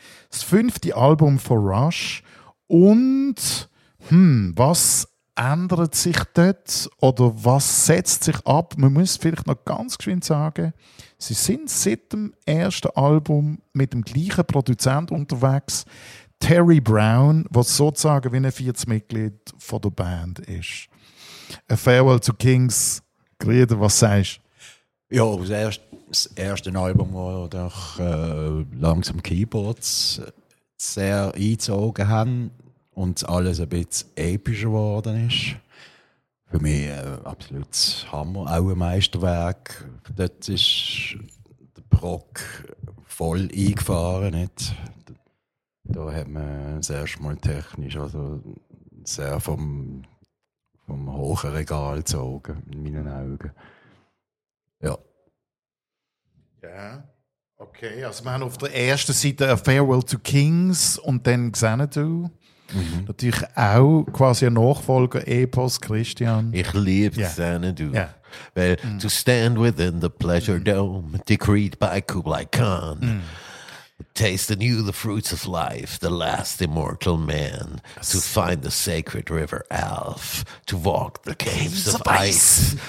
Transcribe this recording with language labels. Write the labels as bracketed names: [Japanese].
[German] Das fünfte Album von Rush. Und was ändert sich dort oder was setzt sich ab? Man muss vielleicht noch ganz geschwind sagen, sie sind seit dem ersten Album mit dem gleichen Produzent unterwegs, Terry Brown, der sozusagen wie ein viertes Mitglied von der Band ist. A Farewell to Kings, Grieder, was sagst du? Ja, das erste Album, wo doch langsam Keyboards sehr eingezogen haben und alles ein bisschen epischer geworden ist. Für mich ein absolutes Hammer, auch ein Meisterwerk. Dort ist der Prog voll eingefahren. Nicht? Da hat man das erste Mal technisch also sehr vom hohen Regal gezogen, in meinen Augen. Ja. Ja. Yeah. Okay, also wir haben auf der ersten Seite A Farewell to Kings und dann Xanadu. Mhm. Natürlich auch quasi ein Nachfolger, Epos, Christian. Ich liebe yeah. Xanadu. Yeah. Weil [English] to stand within the pleasure dome, decreed by Kublai Khan, taste anew the fruits of life, the last immortal man, yes. To find the sacred river Alf, to walk the caves of ice.